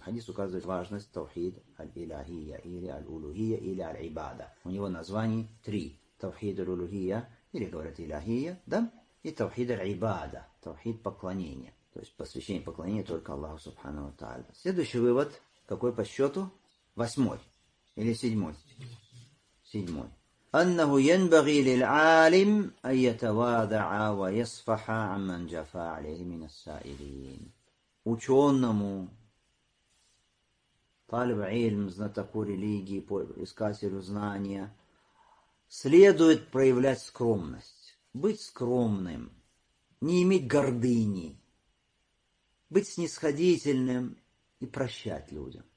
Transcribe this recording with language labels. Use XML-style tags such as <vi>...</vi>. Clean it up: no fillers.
<ru>Хадис указывает важность таухид аль-илахия или аль-улухия или аль-ибада. У него названий три. Таухид аль-улухия, или говорят илахия, да, и таухид аль-ибада, таухид поклонения. То есть посвящение поклонения только Аллаху Субхану ва Тааля. Следующий вывод, какой по счету? Восьмой или седьмой? Седьмой.</ru> <ar>أنه ينبغي للعالم أن يتواضع ويصفح عمن جفا عليه من السائلين.</ar> <ru>Ученому, талиб ильм, знатоку религии, искателю знания, следует проявлять скромность, быть скромным, не иметь гордыни, быть снисходительным и прощать людям.</ru>